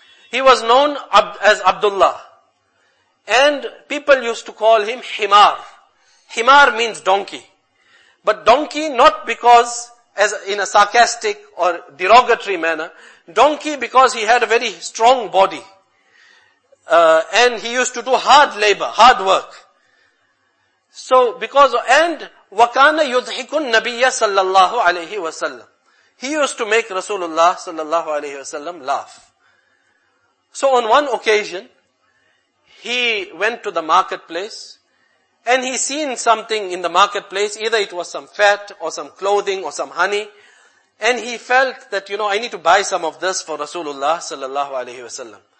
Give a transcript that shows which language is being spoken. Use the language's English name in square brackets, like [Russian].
[English] He was known as Abdullah. And people used to call him Himar. Himar means donkey. But donkey not because, as in a sarcastic or derogatory manner. Donkey because he had a very strong body. And he used to do hard labor, hard work. So because, and [Arabic] وَكَانَ يُضْحِكُ النَّبِيَّ صَلَّى اللَّهُ عَلَيْهِ وَسَلَّمُ. [English] He used to make Rasulullah sallallahu alayhi wa sallam laugh. So on one occasion, he went to the marketplace and he seen something in the marketplace, either it was some fat or some clothing or some honey, and he felt that, you know, I need to buy some of this for Rasulullah sallallahu alayhi wa sallam.